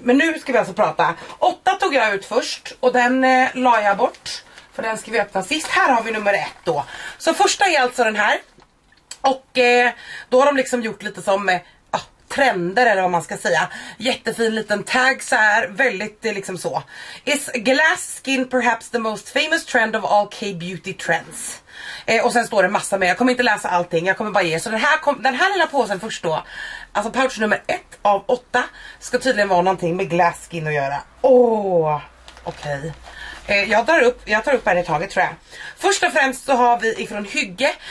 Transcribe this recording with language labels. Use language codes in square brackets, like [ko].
[sv] Men nu ska vi alltså prata. 8 tog jag ut först och den la jag bort för den ska vi öppna sist. Här har vi nummer 1 då. Så första är alltså den här. Och då har de liksom gjort lite som trender eller vad man ska säga. Jättefin liten tag så här, väldigt liksom så. [en] Is glass skin perhaps the most famous trend of all K-beauty trends? [sv] Och sen står det massa mer. Jag kommer inte läsa allting. Jag kommer bara ge. Så den här lilla påsen först då. Alltså pouch nummer 1 av 8 ska tydligen vara någonting med glass skin att göra. Okej. Jag tar upp här i taget tror jag. Först och främst så har vi ifrån Hygge.